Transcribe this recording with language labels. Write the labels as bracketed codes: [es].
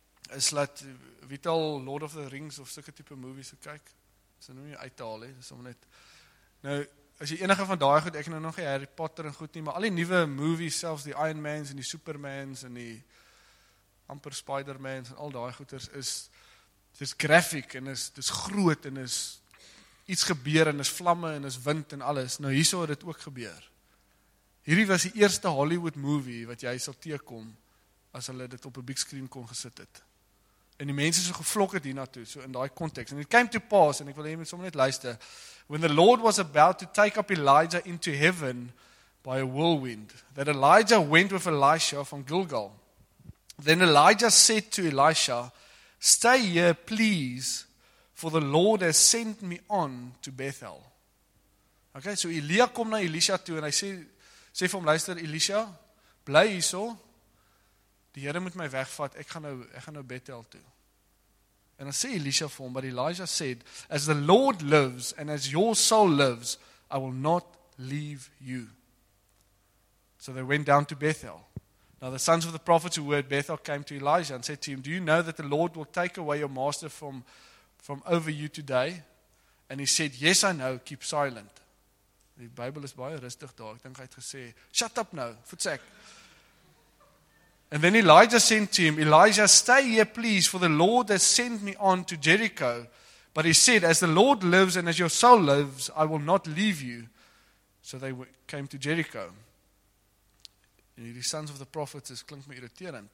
[af] is dat wie al Lord of the Rings of sulke type movies kyk, so noem jy uithaal, he, dis om net, nou, as jy enige van daai goed, ek nou nog nie Harry Potter en goed nie, maar al die nuwe movies, selfs die Iron Mans en die Supermans en die amper Spider-Mans en al daai goeders is, dis graphic en dis groot en is iets gebeur en is vlamme en is wind en alles, nou hierso het dit ook gebeur. Hierdie was die eerste Hollywood movie wat jy sal teekom as hulle dit op 'n [en] big screen [af] kon gesit het. En die mense so gevlok het hiernatoe, so in daai context. [en] And it came to pass, [af] en ek wil hê jy moet sommer net luister, [en] when the Lord was about to take up Elijah into heaven by a whirlwind, that Elijah went with Elisha from Gilgal. Then Elijah said to Elisha, stay here, please, for the Lord has sent me on to Bethel. [af] Okay, so Elia kom na Elisha toe, en hy sê vir hom, luister, Elisha, bly hierso, die Here moet my wegvat, ek gaan nou Bethel toe. En dan sê Elisha vir hom, [en] but Elijah said, as the Lord lives, and as your soul lives, I will not leave you. So they went down to Bethel. Now the sons of the prophets who were at Bethel came to Elijah and said to him, do you know that the Lord will take away your master from over you today? And he said, yes, I know, keep silent. [af] Die Bybel is baie rustig daar, ek dink hy het gesê, [en] shut up now, [af] voetsek. [en] And then Elijah sent to him, Elijah, stay here please, for the Lord has sent me on to Jericho. But he said, as the Lord lives and as your soul lives, I will not leave you. So they came to Jericho. And the sons of the prophets, [af] is klink my irriterend.